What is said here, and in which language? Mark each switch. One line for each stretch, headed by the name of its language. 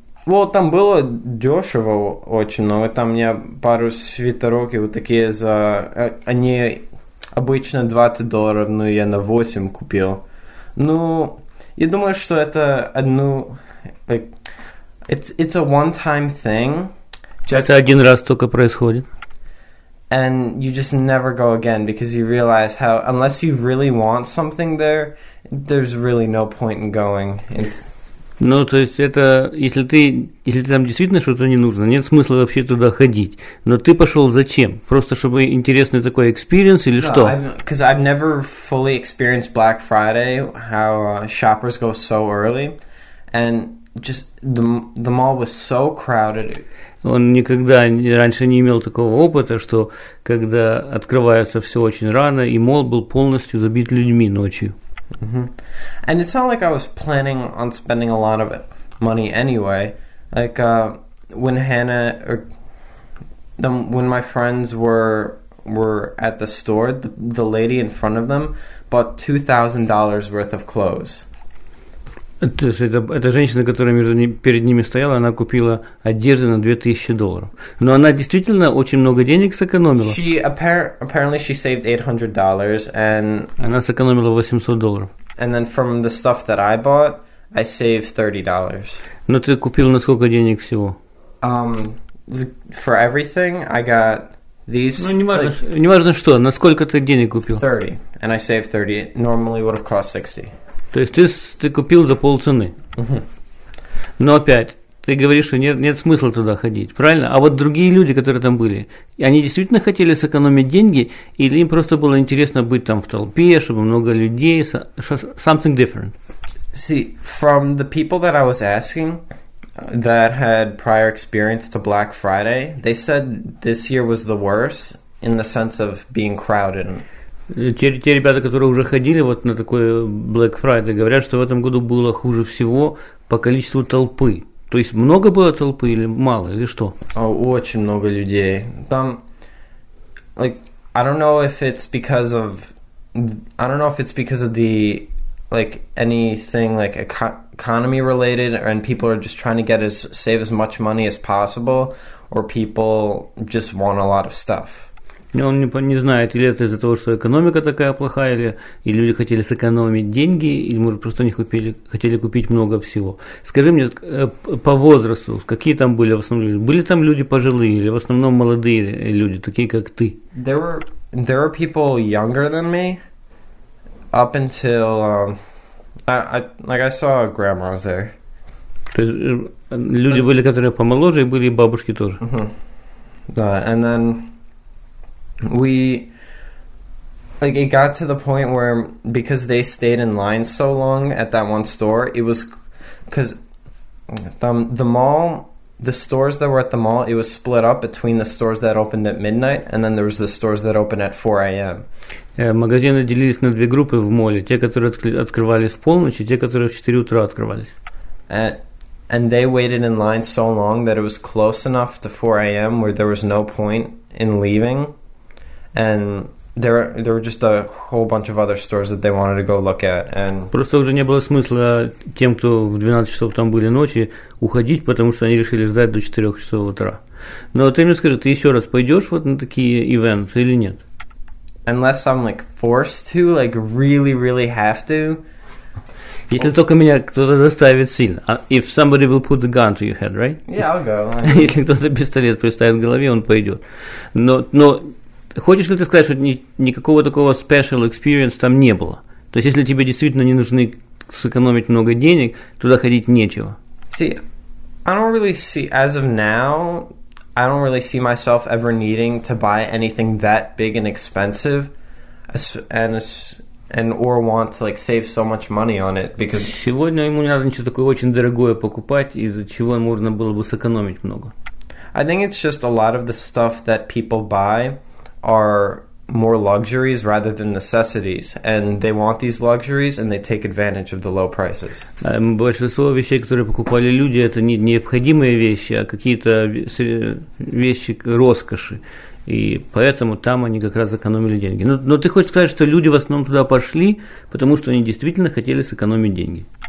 Russian: Вот там было дешево очень, но там у меня пару свитерок и вот такие за... Они обычно $20, но я на 8 купил. Ну, я думаю, что это одну...
English: Like, it's a one-time thing.
Russian: Just, это один раз только происходит.
English: And you just never go again because you realize how... Unless you really want something there, there's really no point in going. It's...
Russian: Ну, то есть это, если ты там действительно что-то не нужно, нет смысла вообще туда ходить. Но ты пошел зачем? Просто чтобы интересный такой experience или что?
English: Because I've never fully experienced Black Friday, how shoppers go so early, and just the mall was so crowded.
Russian: Он никогда раньше не имел такого опыта, что когда открывается все очень рано, и мол был полностью забит людьми ночью. Mm-hmm.
English: And it's not like I was planning on spending a lot of money anyway. Like when Hannah or them, when my friends were at the store, the lady in front of them bought $2,000 worth of clothes.
Russian: То есть это женщина, которая перед ними стояла, она купила одежду на $2,000. Но она действительно очень много денег сэкономила.
English: She apparently she saved $800 and
Russian: она сэкономила $800.
English: And then from the stuff that I bought, I saved $30.
Russian: Но ты купил на сколько денег всего?
English: For everything, I got these.
Russian: Ну не важно что, на сколько ты денег купил?
English: $30, and I saved $30. It normally would have cost $60.
Russian: То есть ты купил за полцены. Uh-huh. Но опять, ты говоришь, что нет смысла туда ходить, правильно? А вот другие люди, которые там были, они действительно хотели сэкономить деньги, или им просто было интересно быть там в толпе, чтобы много людей,
English: something different? See, from the people that I was asking that had prior experience to Black Friday, they said this year was the worst in the sense of being crowded.
Russian: Те ребята, которые уже ходили вот на такой Black Friday, говорят, что в этом году было хуже всего по количеству толпы. То есть много было толпы или мало, или что? Очень много людей.
English: Там, like, I don't know if it's because of, I don't know if it's because of the, like, anything, like, economy related, and people are just trying to get as, save as much money as possible, or people just want a lot of stuff.
Russian: Он не знает, или это из-за того, что экономика такая плохая, или люди хотели сэкономить деньги, или, может, просто не купили, хотели купить много всего. Скажи мне, по возрасту, какие там были в основном люди? Были там люди пожилые, или в основном молодые люди, такие как ты?
English: There were people younger than me up until... I saw grandmas there.
Russian: То есть люди and... были, которые помоложе, и были и бабушки тоже.
English: Uh-huh. Да, and then... We, like, it got to the point where, because they stayed in line so long at that one store, it was, because the mall, the stores that were at the mall, it was split up between the stores that opened at midnight, and then there was the stores that opened at 4 a.m.
Russian: Магазины делились на две группы в молле, те, которые открывались в полночь, и те, которые в 4 утра открывались.
English: And they waited in line so long that it was close enough to 4 a.m. where there was no point in leaving. And there were just a whole bunch of other stores that they wanted to go look at. And
Russian: просто уже не было смысла тем, кто в 12 часов там были ночи, уходить, потому что они решили ждать до 4 часов утра. Но ты мне скажи, ты еще раз пойдешь вот на такие ивенты или нет?
English: Unless I'm like forced to, like really, really have to.
Russian: Если только меня кто-то заставит сильно.
English: If somebody will put the gun to your head, right? Yeah, I'll go.
Russian: Если кто-то пистолет приставит к голове, он пойдет. Но хочешь ли ты сказать, что никакого такого
English: special experience
Russian: там не было? То есть, если тебе действительно не нужны сэкономить много денег, туда ходить нечего.
English: See, I don't really see, as of now, I don't really see myself ever needing to buy anything that big and expensive, and or want to like save so much money on it, because...
Russian: Сегодня ему не надо ничего такое очень дорогое покупать, из-за чего можно было бы сэкономить много.
English: I think it's just a lot of the stuff that people buy... are more luxuries rather than necessities, and they want these luxuries and they take advantage of the low prices.
Russian: Большинство вещей, которые покупали люди, это не необходимые вещи, а какие-то вещи роскоши. И поэтому там они как раз экономили деньги. Но ты хочешь сказать, что люди в основном туда пошли, потому что они действительно хотели сэкономить деньги.